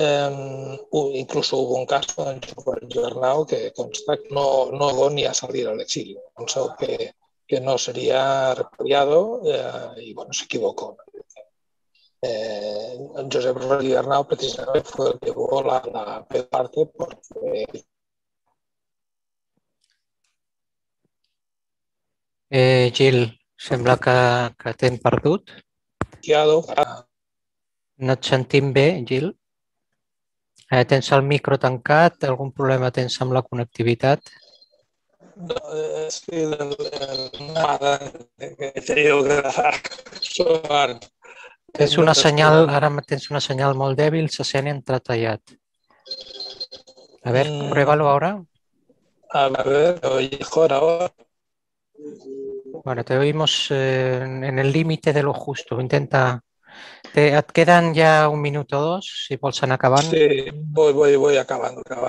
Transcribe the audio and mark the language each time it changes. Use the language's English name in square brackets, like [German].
[Spanish] Incluso hubo un caso en el Jornal que consta que no llegó ni a salir al exilio. Pensó que no sería repudiado, y bueno, se equivocó. Josep Rodríguez Arnau precisamente fue el que llevó la peor parte porque... [Catalan] Gil, sembla que t'hem perdut. No et sentim bé, Gil. Tens el micro tancat, algun problema tens amb la connectivitat? No, és que nada, que he de gravar. Tens una senyal, ara tens una senyal molt dèbil, se sent entretallat. A veure, prova-lo ara. A veure, ho he [Spanish] mejor ahora. Bueno, te oímos en el límite de lo justo. [Catalan] Intenta... Et queden ja un minut o dos, si vols anar acabant. [Spanish] Sí, voy acabando.